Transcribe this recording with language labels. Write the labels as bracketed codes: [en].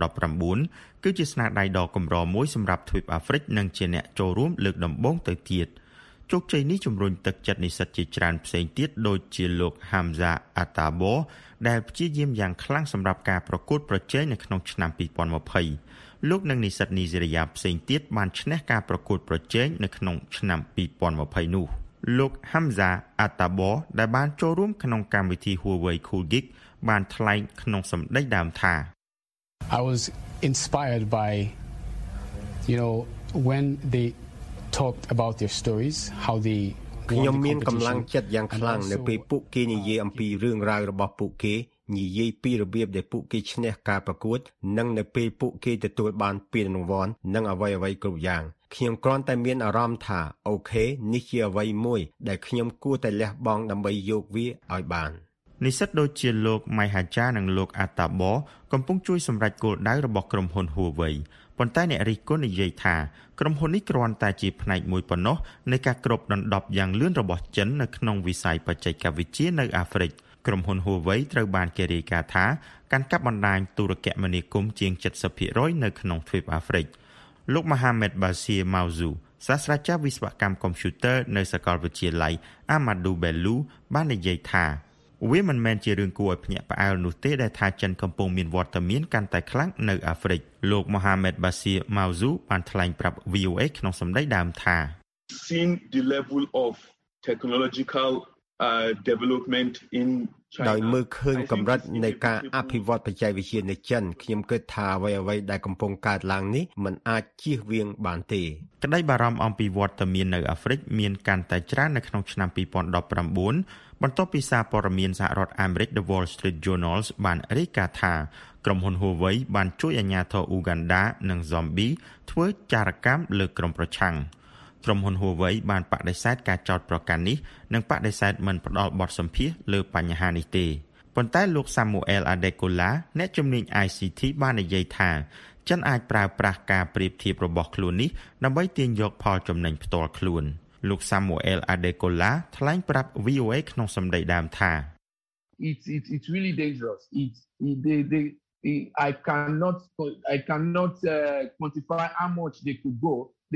[km] 2019គឺជាស្នាដៃដ៏កម្រមួយសម្រាប់ទ្វីបអាហ្វ្រិកនិងជាអ្នកចូលរួមលើកដំបូងទៅទៀតជោគជ័យនេះជំរុញទឹកចិត្តនិស្សិតជាច្រើនផ្សេងទៀតដូចជាលោក Hamza Atabo ដែលព្យាយាមយ៉ាងខ្លាំងសម្រាប់ការប្រកួតប្រជែងនៅក្នុងឆ្នាំ2020លោកនឹងនិស្សិតនីហ្សេរីយ៉ាផ្សេងទៀតបានឈ្នះការប្រកួតប្រជែងនៅក្នុងឆ្នាំ2020នោះលោក Hamza Atabo ដែលបានចូលរួមក្នុងកម្មវិធី Huawei Cool Geek បានថ្លែងក្នុងសម្ដីដើមថា [en] I was inspired by you know when they talked about their stories how they [km] ខ្ញុំមានកម្លាំងចិត្តយ៉ាងខ្លាំងនៅពេលពួកគេនិយាយអំពីរឿងរ៉ាវរបស់ពួកគេនិយាយពីរបៀបដែលពួកគេឈ្នះការប្រកួតនិងនៅពេលពួកគេទទួលបានពានរង្វាន់និងអ្វីៗគ្រប់យ៉ាងខ្ញុំគ្រាន់តែមានអារម្មណ៍ថាអូខេនេះជាអ្វីមួយដែលខ្ញុំគួរតែលះបង់ដើម្បីយកវាឲ្យបាននិស្សិតដូចជាលោក Maihaja និងលោក Atabo កំពុងជួយសម្រេចគោលដៅរបស់ក្រុមហ៊ុន Huawei ប៉ុន្តែអ្នករិះគន់និយាយថាក្រុមហ៊ុននេះគ្រាន់តែជាផ្នែកមួយប៉ុណ្ណោះនៃការគ្របដណ្ដប់យ៉ាងលឿនរបស់ចិននៅក្នុងវិស័យបច្ចេកវិទ្យានៅអាហ្វ្រិកក្រុមហ៊ុន Huawei ត្រូវបានគេរាយការណ៍ថាកាន់កាប់បណ្ដាញទូរគមនាគមន៍ជាង 70% នៅក្នុងទ្វីបអាហ្វ្រិក លោក Mohamed Bassir Mauzu សាស្ត្រាចារ្យវិស្វកម្មកុំព្យូទ័រនៅសាកលវិទ្យាល័យ Amadou Bello បាននិយាយថាវាមិនមែនជារឿងគួរឲ្យភ្ញាក់ផ្អើលនោះទេដែលថាចិនកំពុងមានវត្តមានកាន់តែខ្លាំងនៅអាហ្វ្រិកលោក Mohamed Bassir Mauzu បានថ្លែងប្រាប់ VOA ក្នុងសម្ដីដើមថា [en] Seen the level of technologicaldevelopment in China [km] ដោយមើលឃើញកម្រិតនៃការអភិវឌ្ឍបច្ចេកវិទ្យានៅចិនខ្ញុំគិតថាអ្វីដែលកំពុងកើតឡើងនេះ [th] มัน [km] អាចជៀសវាងបានទេ ក្តីបារម្ភអំពីវត្តមាននៅអាហ្វ្រិកមានកាន់តែច្រើននៅក្នុងឆ្នាំ2019បន្ទាប់ពីសារព័ត៌មានសហរដ្ឋអាមេរិក The Wall Street Journal បានរាយការណ៍ថាក្រុមហ៊ុន Huawei បានជួយអាជ្ញាធរអ៊ូហ្គាន់ដានិងស៊ំប៊ីធ្វើចារកម្មលើក្រុមប្រឆាំង ក្រុមហ៊ុន Huawei បានបដិសេធការចោទប្រកាន់នេះនិងបដិសេធមិនផ្ដល់បទសម្ភាសលើបញ្ហានេះទេប៉ុន្តែលោក Samuel Adekola អ្នកជំនាញ ICT បាននិយាយថាចិនអាចប្រើប្រាស់ការប្រៀបធៀបរបស់ខ្លួននេះដើម្បីទាញយកផលចំណេញផ្ទាល់ខ្លួនលោក Samuel Adekola ថ្លែងប្រាប់ VOA ក្នុងសម្ដីដើមថា [en] It's really dangerous. It's they I cannot quantify how much they could go.